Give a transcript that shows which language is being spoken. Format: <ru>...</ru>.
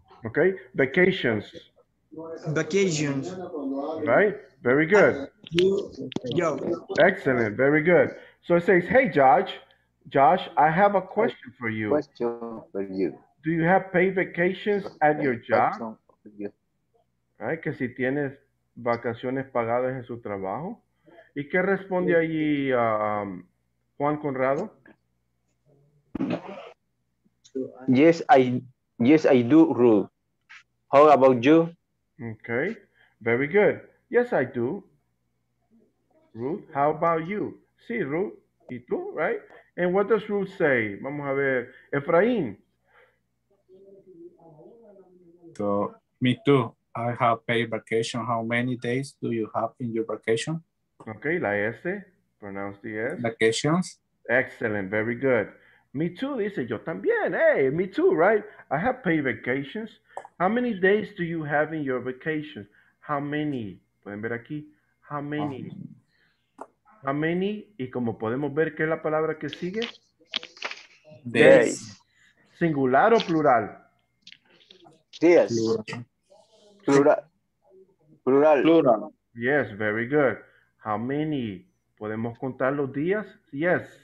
<en>Okay, vacations. Vacations. Right, very good. Job. Excellent, very good. So it says, hey, Josh, I have a question for you. Question for you. Do you have paid vacations at your job? Right,</en> <es>que si tienes vacaciones pagadas en su trabajo. ¿Y qué responde allí Juan Conrado?</es> <en>Yes, I do, Ruth. How about you? Okay, very good. Yes, I do. Ruth, how about you?</en> <es>Sí, Ruth, ¿y tú,</es> <en>right? And what does Ruth say?</en> <es>Vamos a ver.</es> <en>Efraín. So, me too. I have paid vacation. How many days do you have in your vacation? Okay, la S. Pronounce the S. Vacations. Excellent. Very good. Me too,</en> <es>dice yo también.</es> <en>Hey, me too, right? I have paid vacations. How many days do you have in your vacation? How many?</en> <es>Pueden ver aquí.</es> <en>How many? How many?</en> <es>Y como podemos ver, ¿qué es la palabra que sigue?</es> <en>Days.</en> <es>¿Singular o plural? Días. Plural. Plural.</es> <en>Yes, very good. How many?</en> <es>¿Podemos contar los días?</es> <en>Yes.</en>